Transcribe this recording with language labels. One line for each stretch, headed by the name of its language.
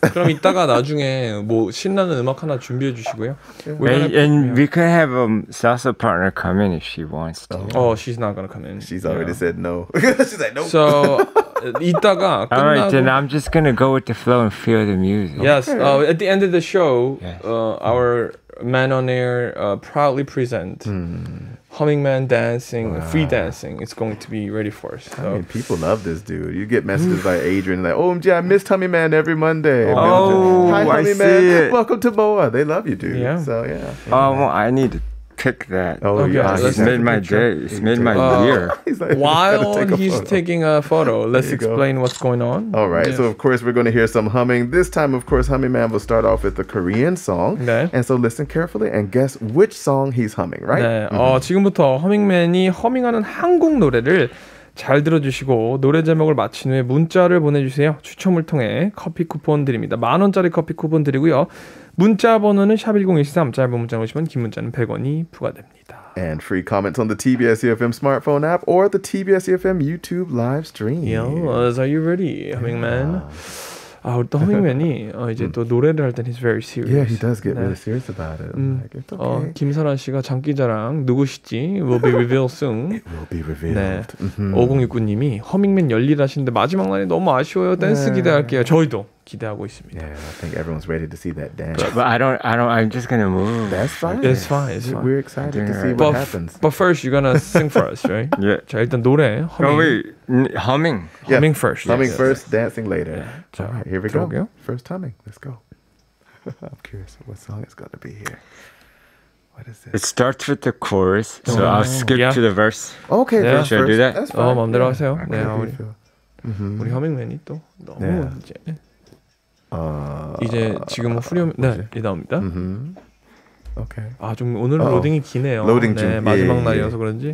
Korean: 그럼 이따가 나중에 뭐 신나는 음악 하나 준비해 주시고요.
English: And we could have a salsa partner come in if she wants to. Oh, she's not gonna come in. She's already said no. She's like, nope.
Korean: So 이따가 끝나고.
English: All right, then I'm just gonna go with the flow and feel the music. Yes. At the end of the show, our Man on Air proudly present Hummingman dancing, free dancing. It's going to be ready for us. So. I mean, people love this dude. You get messages by Adrian like, OMG, I missed Hummingman every Monday. Hi, Hummingman. Welcome to Boa. They love you, dude. Yeah. So, yeah. Well, I need to pick that. Oh, okay, yeah. He's made my day. He's made my year. While he's taking a photo, let's explain what's going on. All right. Yeah. So, of course, we're going to hear some humming. This time, of course, Hummingman will start off with the Korean song. Okay. And so listen carefully and guess which song he's humming, right?
Korean: 네. Mm-hmm. 지금부터 허밍맨이 허밍하는 한국 노래를 잘 들어주시고 노래 제목을 맞힌 후에 문자를 보내주세요. 추첨을 통해 커피 쿠폰 드립니다. 만 원짜리 커피 쿠폰 드리고요. 문자 번호는 샵 1013, 짧은 문자 오시면 긴 문자는 100원이 부과됩니다.
English: And free comments on the TBS EFM smartphone app or the TBS EFM YouTube live stream. Yes, are you ready, Hummingman? Yeah.
Korean: 또 허밍맨이 이제 또 노래를 할 땐
English: he's very serious. Yeah, he does get really serious about it. Like, it's okay.
Korean: 김선환 씨가 장기자랑 누구시지?
English: Will be revealed soon. It will be revealed.
Korean: 네. Mm-hmm. 5069님이 허밍맨 열일하시는데 마지막 라인이 너무 아쉬워요. 댄스 기대할게요. 저희도. 기대하고 있습니다.
English: Yeah, I think everyone's ready to see that dance. But I don't. I'm just gonna move. That's fine. It's fine. It's fine. We're excited to see what happens. But first, you're gonna sing for us, right? Yeah.
Korean: 자 일단 노래.
English: Humming. Humming first. Humming first. Dancing later. Yeah. All right. Here we go. First humming. Let's go. I'm curious what song is gonna be here. What is this? It starts with the chorus, so I'll skip to the verse. Okay. Yeah. Should I do that? That's fine.
Korean: 마음대로 하세요. 네. 우리 허밍맨이 또 너무 이제. 이제 지금 후렴 네이 나옵니다. 오케이. 아 좀 오늘 로딩이 기네요. 로딩 중. 네, 마지막 날이어서 그런지.